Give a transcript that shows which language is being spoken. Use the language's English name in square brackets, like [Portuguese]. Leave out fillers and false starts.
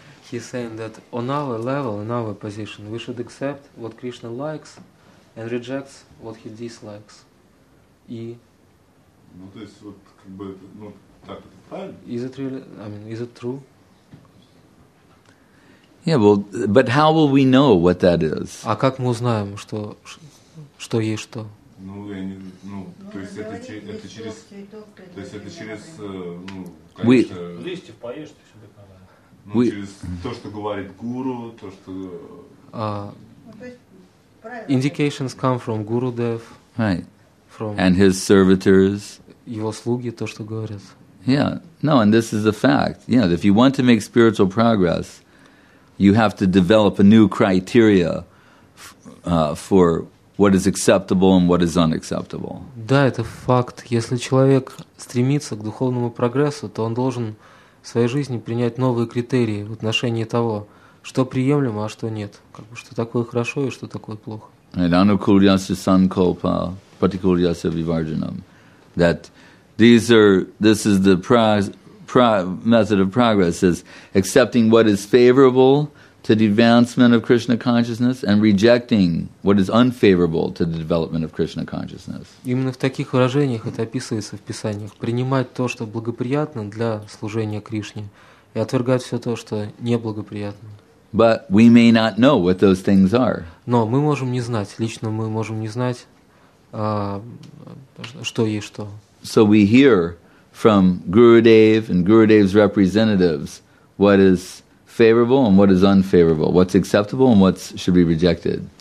[English] He's saying that on our level, in our position, we should accept what Krishna likes and reject what he dislikes. [Russian] И ну то есть вот как бы ну так это правильно? [English] Is it really? I mean, is it true? Yeah, well, but how will we know what that is? [Russian] А как мы узнаем, что есть что? Ну я не ну то есть это через то есть это через ну [English] Indications come from Gurudev, right? From and his servitors. [Russian] Его слуги то, что говорят. [English] Yeah, no, and this is a fact. Yeah, if you want to make spiritual progress, you have to develop a new criteria for what is acceptable and what is unacceptable. [Russian] Да, это факт. Если человек стремится к духовному прогрессу, то он должен в своей жизни принять новые критерии в отношении того, что приемлемо, а что нет. Как бы, что такое хорошо и что такое плохо. [Sanskrit] Anukulyasya sankalpa, pratikulyasya vivarjanam. That [English] These are, this is the method of progress, is accepting what is favorable to the advancement of Krishna consciousness and rejecting what is unfavorable to the development of Krishna consciousness. [Russian] Именно в таких выражениях это описывается в писаниях. Принимать то, что благоприятно для служения Кришне, и отвергать все то, что неблагоприятно. [English] But we may not know what those things are. [Russian] Но мы можем не знать, лично мы можем не знать, что есть что. [English] So we hear from Gurudev and Gurudev's representatives what is favorable and what is unfavorable, what's acceptable and what should be rejected.